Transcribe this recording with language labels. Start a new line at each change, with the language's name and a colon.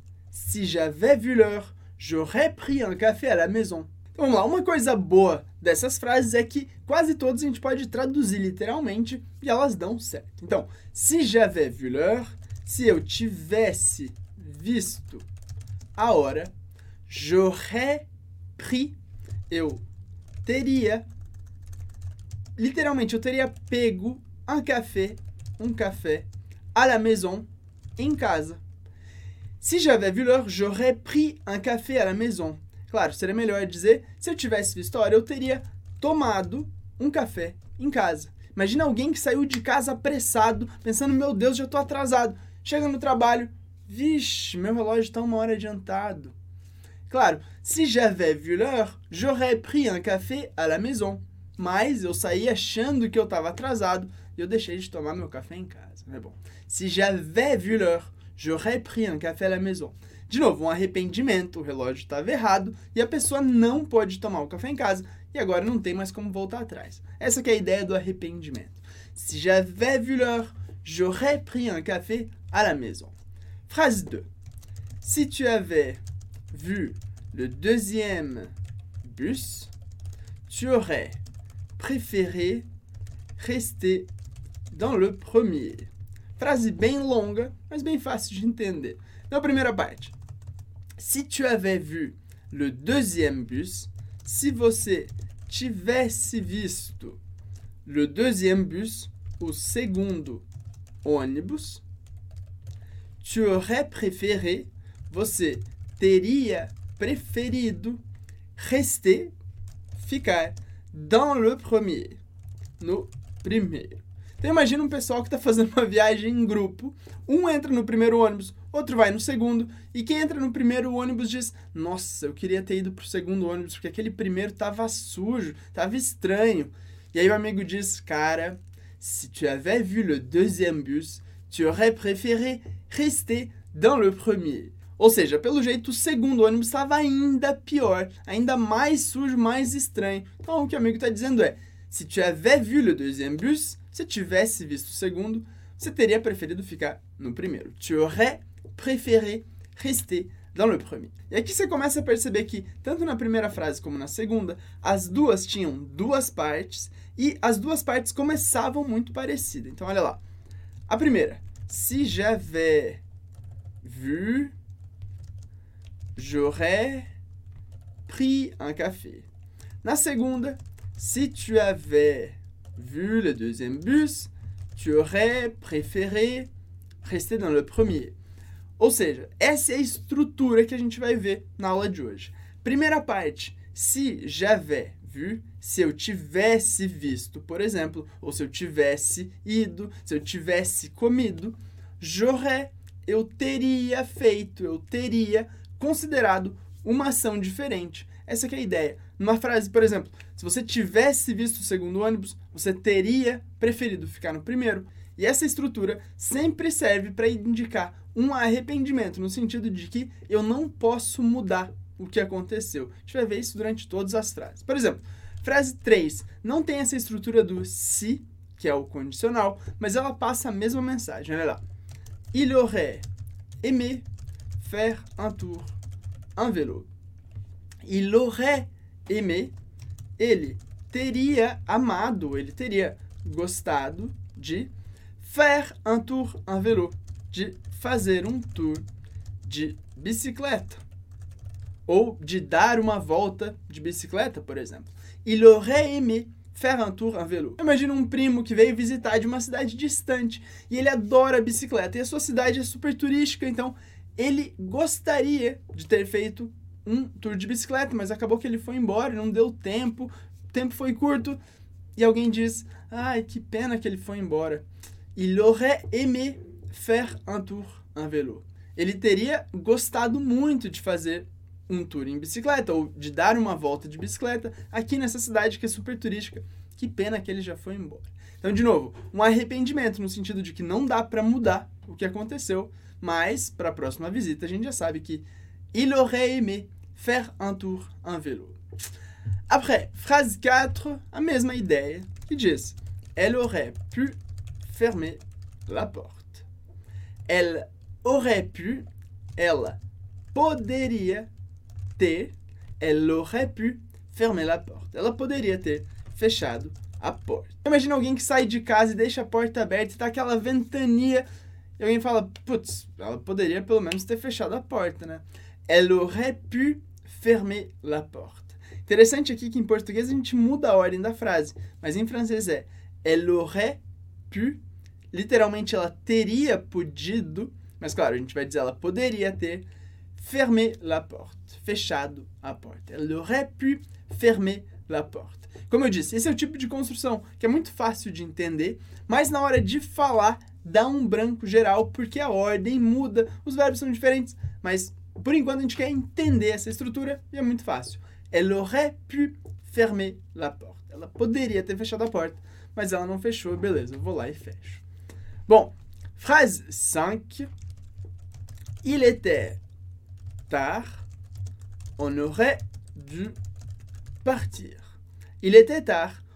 French: Si j'avais vu l'heure, j'aurais pris un café à la maison.
Portuguese: Então, vamos lá, uma coisa boa dessas frases é que quase todas a gente pode traduzir literalmente e elas dão certo. Então,
French: si j'avais vu l'heure,
Portuguese: se eu tivesse visto a hora,
French: j'aurais pris,
Portuguese: eu teria, literalmente, eu teria pego
French: Un café, à la maison,
Portuguese: em casa.
French: Si j'avais vu l'heure, j'aurais pris un café à la maison.
Portuguese: Claro, seria melhor dizer, se eu tivesse visto a hora, eu teria tomado um café em casa. Imagina alguém que saiu de casa apressado, pensando, meu Deus, já estou atrasado. Chega no trabalho, vixe, meu relógio está uma hora adiantado. Claro, si j'avais vu l'heure, j'aurais pris un café à la maison. Mas eu saí achando que eu estava atrasado, e eu deixei de tomar meu café em casa. Mas bom, si j'avais vu l'heure, j'aurais pris un café à la maison. De novo, um arrependimento, o relógio estava errado e a pessoa não pôde tomar o café em casa e agora não tem mais como voltar atrás. Essa que é a ideia do arrependimento.
French: Si j'avais vu l'heure, j'aurais pris un café à la maison.
Portuguese: Frase 2.
French: Si tu avais vu le deuxième bus, tu aurais préféré rester dans le premier.
Portuguese: Frase bem longa, mas bem fácil de entender. Na primeira parte.
French: Si tu avais vu le deuxième bus,
Portuguese: se você tivesse visto
French: le deuxième bus,
Portuguese: o segundo ônibus,
French: tu aurais préféré,
Portuguese: você teria preferido
French: rester,
Portuguese: ficar,
French: dans le premier,
Portuguese: no primeiro. Então imagina um pessoal que está fazendo uma viagem em grupo, um entra no primeiro ônibus, outro vai no segundo, e quem entra no primeiro ônibus diz, nossa, eu queria ter ido pro segundo ônibus, porque aquele primeiro tava sujo, tava estranho. E aí o amigo diz, cara,
French: si tu avais vu le deuxième bus, tu aurais préféré rester dans le premier.
Portuguese: Ou seja, pelo jeito, o segundo ônibus estava ainda pior, ainda mais sujo, mais estranho. Então, o que o amigo está dizendo é, se
French: tu avais vu le deuxième bus,
Portuguese: se tivesse visto o segundo, você teria preferido ficar no primeiro.
French: Tu aurais préféré rester dans le premier.
Portuguese: E aqui você começa a perceber que, tanto na primeira frase como na segunda, as duas tinham duas partes e as duas partes começavam muito parecidas. Então, olha lá. A primeira,
French: si j'avais vu, j'aurais pris un café.
Portuguese: Na segunda,
French: si tu avais vu le deuxième bus, tu aurais préféré rester dans le premier.
Portuguese: Ou seja, essa é a estrutura que a gente vai ver na aula de hoje. Primeira parte,
French: si j'avais vu,
Portuguese: se eu tivesse visto, por exemplo, ou se eu tivesse ido, se eu tivesse comido,
French: j'aurais,
Portuguese: eu teria feito, eu teria considerado uma ação diferente. Essa que é a ideia. Numa frase, por exemplo, se você tivesse visto o segundo ônibus, você teria preferido ficar no primeiro. E essa estrutura sempre serve para indicar um arrependimento, no sentido de que eu não posso mudar o que aconteceu. A gente vai ver isso durante todas as frases. Por exemplo, frase 3 não tem essa estrutura do se, que é o condicional, mas ela passa a mesma mensagem. Olha lá.
French: Il aurait aimé faire un tour en vélo. Il aurait aimé,
Portuguese: ele teria amado, ele teria gostado de
French: faire un tour en vélo,
Portuguese: de fazer um tour de bicicleta. Ou de dar uma volta de bicicleta, por exemplo.
French: Il aurait aimé faire un tour en vélo.
Portuguese: Imagina um primo que veio visitar de uma cidade distante e ele adora bicicleta e a sua cidade é super turística, então ele gostaria de ter feito um tour de bicicleta, mas acabou que ele foi embora, não deu tempo, o tempo foi curto e alguém diz: "Ai, que pena que ele foi embora."
French: Il aurait aimé faire un tour en vélo.
Portuguese: Ele teria gostado muito de fazer um tour em bicicleta ou de dar uma volta de bicicleta aqui nessa cidade que é super turística. Que pena que ele já foi embora. Então, de novo, um arrependimento no sentido de que não dá para mudar o que aconteceu, mas para a próxima visita a gente já sabe que
French: il aurait aimé faire un tour en vélo. Après,
Portuguese: frase 4, a mesma ideia que diz:
French: Elle aurait pu fermer la porte. Elle aurait pu,
Portuguese: ela poderia ter,
French: elle aurait pu fermer la porte.
Portuguese: Ela poderia ter fechado a porta. Imagina alguém que sai de casa e deixa a porta aberta e tá aquela ventania. E alguém fala: putz, ela poderia pelo menos ter fechado a porta, né?
French: Elle aurait pu fermer la porte.
Portuguese: Interessante aqui que em português a gente muda a ordem da frase, mas em francês é
French: elle aurait pu,
Portuguese: literalmente ela teria podido, mas claro, a gente vai dizer ela poderia ter
French: fermé la porte,
Portuguese: fechado a porta.
French: Elle aurait pu fermer la porte.
Portuguese: Como eu disse, esse é o tipo de construção que é muito fácil de entender, mas na hora de falar dá um branco geral porque a ordem muda, os verbos são diferentes, mas por enquanto a gente quer entender essa estrutura e é muito fácil.
French: Elle aurait pu fermer la porte.
Portuguese: Ela poderia ter fechado a porta, mas ela não fechou. Beleza, eu vou lá e fecho. Bom, frase 5.
French: Il était tard. On aurait dû partir. Il était tard.